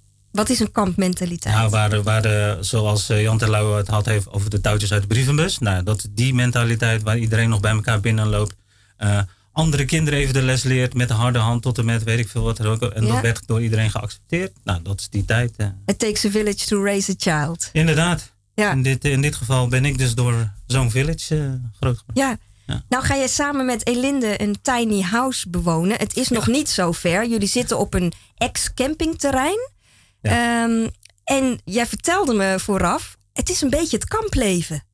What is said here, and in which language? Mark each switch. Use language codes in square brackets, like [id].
[nl] Wat is een kampmentaliteit? Nou, zoals Jan Terlouw het had heeft over de touwtjes uit de brievenbus. Nou, dat die mentaliteit waar iedereen nog bij elkaar binnenloopt. Andere kinderen even de les leert met de harde hand tot en met weet ik veel wat. En ja. Dat werd door iedereen geaccepteerd. Nou, dat is die tijd. [en] It takes a village to raise a child. [nl] Inderdaad. Ja. In dit geval ben ik dus door zo'n village groot gemaakt. Ja. Ja. Nou ga je samen met Elinde een tiny house bewonen. Het is nog niet zo ver. Jullie zitten op een ex-campingterrein. Ja. En jij vertelde me vooraf, het is een beetje het kampleven.